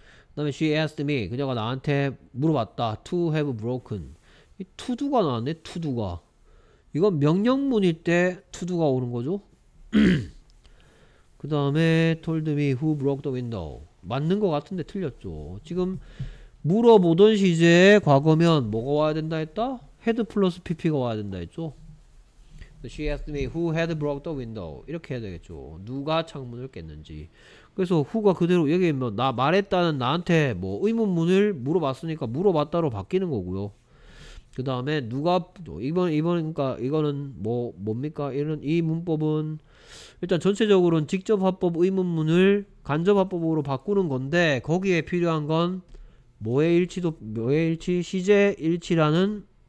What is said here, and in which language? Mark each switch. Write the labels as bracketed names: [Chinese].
[Korean] 그다음에 [English] she asked me [Korean] 그녀가 나한테 물어봤다 [English] to have broken [Korean] 이 to do가 나왔네 to do가 이건 명령문일 때 to do가 오는 거죠? 그다음에 [English] told me who broke the window [Korean] 맞는 거 같은데 틀렸죠? 지금 물어보던 시제에 과거면 뭐가 와야 된다 했다? had 플러스 pp가 와야 된다 했죠? [English] She asked me who had broke the window. [Korean] 이렇게 해야 되겠죠. 누가 창문을 깼는지. 그래서 who가 그대로 얘기해 뭐나 말했다는 나한테 뭐 의문문을 물어봤으니까 물어봤다로 바뀌는 거고요. 그 다음에 누가 이번 그러니까 이거는 뭐 뭡니까? 이런 이 문법은 일단 전체적으로는 직접 화법 의문문을 간접 화법으로 바꾸는 건데 거기에 필요한 건 뭐의 일치 시제 일치라는.